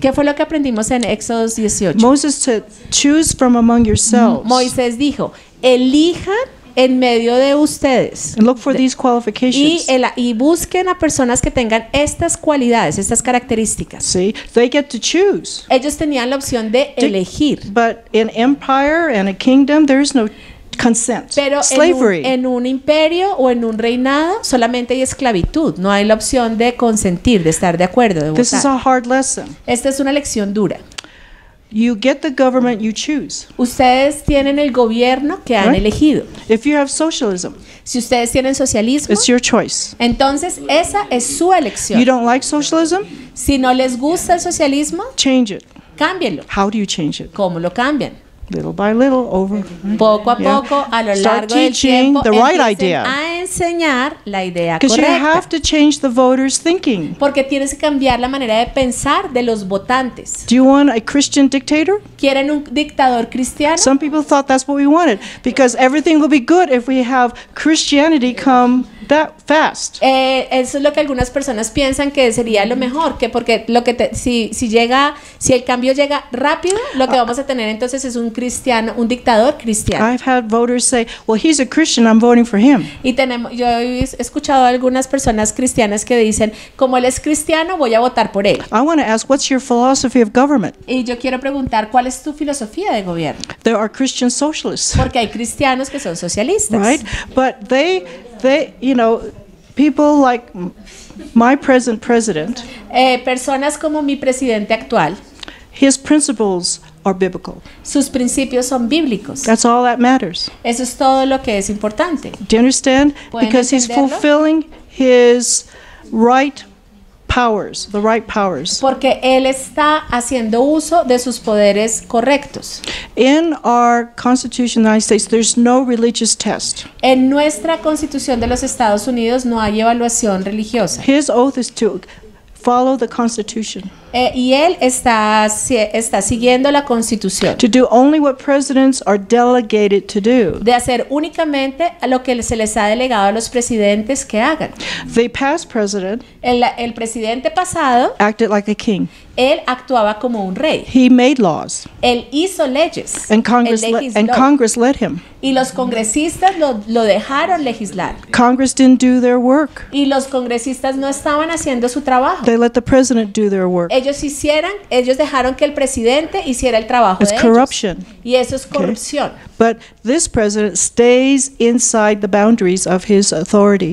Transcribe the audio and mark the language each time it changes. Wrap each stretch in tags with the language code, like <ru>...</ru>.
<es>¿Qué fue lo que aprendimos en Éxodo 18?</es> <en>Moses said, choose from among yourselves.</en> <es>Moisés dijo, elijan en medio de ustedes.</es> <en>And look for these qualifications.</en> <es>Y busquen a personas que tengan estas cualidades, estas características.</es> <en>See, they get to choose.</en> <es>Ellos tenían la opción de elegir.</es> <en>But in empire and a kingdom, there is no consent.</en> <es>Pero</es> <en>slavery.</en> <es>En un imperio o en un reinado, solamente hay esclavitud. No hay la opción de consentir, de estar de acuerdo, de votar.</es> <en>This is a hard lesson.</en> <es>Esta es una lección dura.</es> <en>You get the government you choose.</en> <es>Ustedes tienen el gobierno que han elegido.</es> <en>If you have socialism,</en> <es>si ustedes tienen socialismo,</es> <en>it's your choice.</en> <es>Entonces esa es su elección.</es> <en>You don't like socialism?</en> <es>Si no les gusta el socialismo,</es> <en>change it.</en> <es>Cámbienlo.</es> <en>How do you change it?</en> <es>¿Cómo lo cambian?</es> <en>Little by little, over.</en> <es>Poco a poco, a lo</es> <en>start</en> <es>largo del tiempo,</es> <en>teaching the right idea.</en> <es>A enseñar la idea correcta.</es> <en>Because you have to change the voters' thinking.</en> <es>Porque tienes que cambiar la manera de pensar de los votantes.</es> <en>Do you want a Christian dictator?</en> <es>¿Quieren un dictador cristiano?</es> <en>Some people thought that's what we wanted, because everything will be good if we have Christianity come that fast.</en> <es>Eso es lo que algunas personas piensan que sería lo mejor, que porque lo que si el cambio llega rápido, lo que vamos a tener entonces es un cristiano, un dictador cristiano.</es> <en>I've had voters say, "Well, he's a Christian, I'm voting for him."</en> <es>Y tenemos, yo he escuchado a algunas personas cristianas que dicen, como él es cristiano, voy a votar por él.</es> <en>I want to ask, what's your philosophy of government?</en> <es>Y yo quiero preguntar, ¿cuál es tu filosofía de gobierno?</es> <en>There are Christian socialists.</en> <es>Porque hay cristianos que son socialistas.</es> <en>Right, but they, you know, people like my present president.</en> <es>Personas como mi presidente actual.</es> <en>His principles are biblical.</en> <es>Sus principios son bíblicos.</es> <en>That's all that matters.</en> <es>Eso es todo lo que es importante.</es> <en>Do you understand? Because</en> <es>entenderlo?</es> <en>He's fulfilling his right powers.</en> <es>Porque él está haciendo uso de sus poderes correctos.</es> <en>In our Constitution of the United States, there's no religious test.</en> <es>En nuestra Constitución de los Estados Unidos no hay evaluación religiosa.</es> <en>His oath is to follow the Constitution.</en> <es>Y él está siguiendo la Constitución.</es> <en>To do only what presidents are delegated to do.</en> <es>De hacer únicamente lo que se les ha delegado a los presidentes que hagan.</es> <en>The past president.</en> <es>El presidente pasado.</es> <en>Acted like a king.</en> <es>Él actuaba como un rey.</es> <en>He made laws.</en> <es>Él hizo leyes.</es> <en>And Congress let him.</en> <es>Y los congresistas lo dejaron legislar.</es> <en>Congress didn't do their work.</en> <es>Y los congresistas no estaban haciendo su trabajo.</es> <en>They let the president do their work.</en> <es>Ellos dejaron que el presidente hiciera el trabajo.</es> <en>It's</en> <es>de</es> <en>corruption.</en> <es>Ellos. Y eso es corrupción.</es> <en>Okay. But this president stays inside the boundaries of his authority.</en>